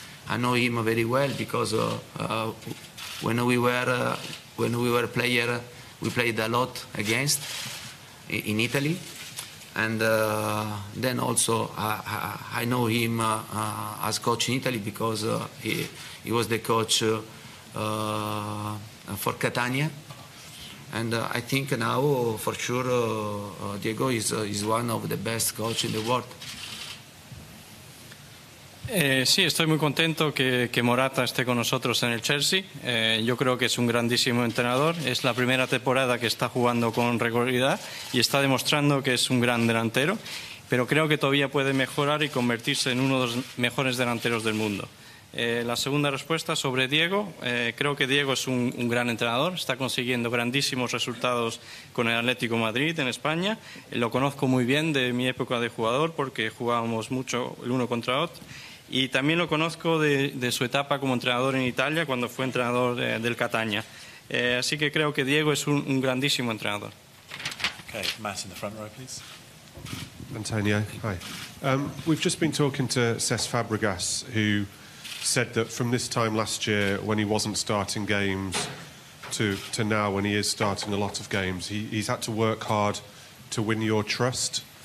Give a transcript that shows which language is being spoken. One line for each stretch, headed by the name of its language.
English: I know him very well because when we were player, we played a lot against in Italy, and then also I know him as coach in Italy because he was the coach for Catania, and I think now for sure Diego is one of the best coach in the world.
Spanish: Sí, estoy muy contento que Morata esté con nosotros en el Chelsea. Yo creo que es un grandísimo entrenador. Es la primera temporada que está jugando con regularidad y está demostrando que es un gran delantero. Pero creo que todavía puede mejorar y convertirse en uno de los mejores delanteros del mundo. La segunda respuesta sobre Diego. Creo que Diego es un gran entrenador. Está consiguiendo grandísimos resultados con el Atlético Madrid en España. Lo conozco muy bien de mi época de jugador porque jugábamos mucho el uno contra otro. Y también lo conozco de su etapa como entrenador en Italia cuando fue entrenador del Catania. Así que creo que Diego es un grandísimo entrenador.
English: Okay, Matt in the front row, please. Antonio, hi. We've just been talking to Cesc Fabregas, who said that from this time last year, when he wasn't starting games, to now, when he is starting a lot of games, he's had to work hard to win your trust.